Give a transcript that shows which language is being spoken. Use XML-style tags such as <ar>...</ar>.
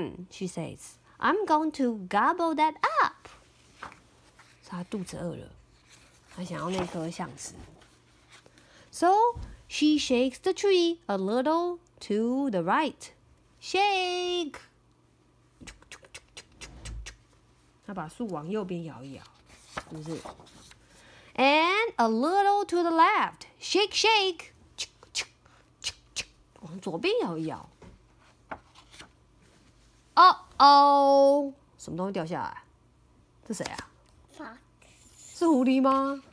<en>She says, I'm going to gobble that up.</en> <zh>是它肚子饿了，它想要那颗橡石。</zh> <en>So she shakes the tree a little to the right. Shake.</en> <zh>它把树往右边摇一摇，是不是？</zh> <en>And a little to the left. Shake, shake.</en> <zh>往左边摇一摇。 Uh oh. 什么东西掉下来？这谁啊？是狐狸吗？</zh>